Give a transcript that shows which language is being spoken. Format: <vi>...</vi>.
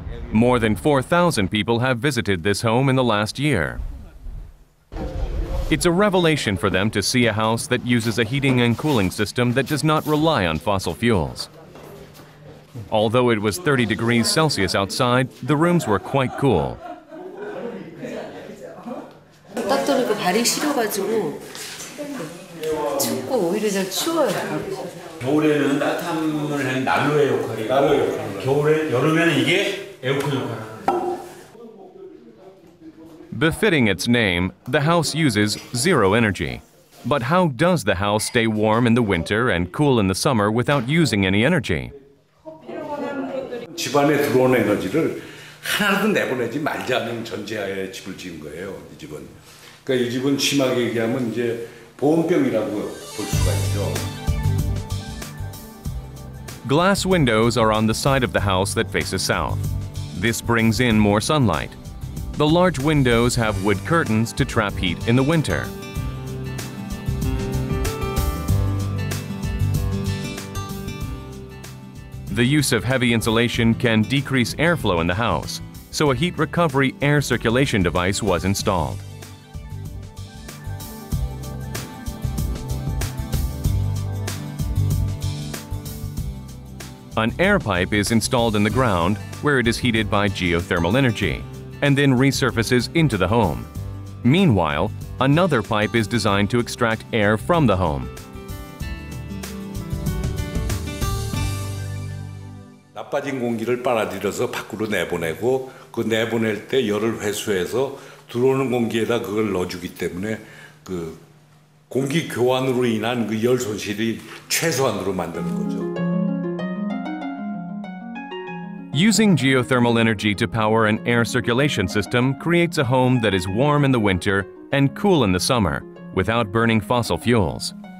<en>More than 4,000 people have visited this home in the last year. It's a revelation for them to see a house that uses a heating and cooling system that does not rely on fossil fuels. Although it was 30 degrees Celsius outside, the rooms were quite cool.</en> <ko>떠들고 발이 시려가지고 춥고 오히려 잘 추워요. 겨울에는 따뜻함을 하는 난로의 역할이고 난로 역할. 겨울에 여름에는 이게 에어컨 역할.</ko> <en>Befitting its name, the house uses zero energy. But how does the house stay warm in the winter and cool in the summer without using any energy?</en> <ko>집안에 들어오는 에너지를 하나라도 내보내지 말자는 전제하에 집을 지은 거예요. 이 집은. 그러니까 이 집은 심하게 얘기하면 이제 보온병이라고 볼 수가 있죠.</ko> <en>Glass windows are on the side of the house that faces south. This brings in more sunlight. The large windows have wood curtains to trap heat in the winter. The use of heavy insulation can decrease airflow in the house, so a heat recovery air circulation device was installed. An air pipe is installed in the ground where it is heated by geothermal energy. And then resurfaces into the home. Meanwhile, another pipe is designed to extract air from the home.</en> <ko>나빠진 공기를 빨아들여서 밖으로 내보내고 그 내보낼 때 열을 회수해서 들어오는 공기에다 그걸 넣어주기 때문에 그 공기 교환으로 인한 그 열 손실이 최소한으로 만드는 거죠.</ko> <en>Using geothermal energy to power an air circulation system creates a home that is warm in the winter and cool in the summer without burning fossil fuels.</en>